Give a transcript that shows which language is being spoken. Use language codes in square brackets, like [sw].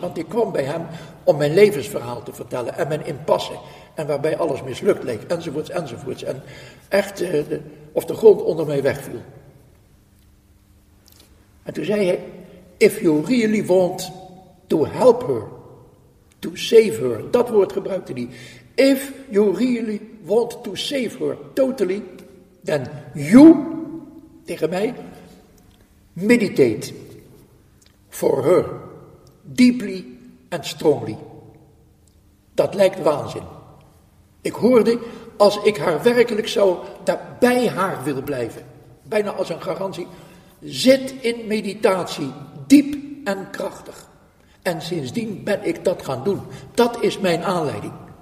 [nl] Want ik kwam bij hem om mijn levensverhaal te vertellen. En mijn impasse. En waarbij alles mislukt leek. Enzovoorts, enzovoorts. En echt of de grond onder mij wegviel. En toen zei hij, [en] if you really want to help her. To save her, [nl] dat woord gebruikte hij. [en] If you really want to save her totally, then you, [nl] tegen mij, [en] meditate for her, deeply and strongly. [nl] Dat lijkt waanzin. Ik hoorde, als ik haar werkelijk zou, daar bij haar wil blijven, bijna als een garantie, zit in meditatie, diep en krachtig. En sindsdien ben ik dat gaan doen. Dat is mijn aanleiding.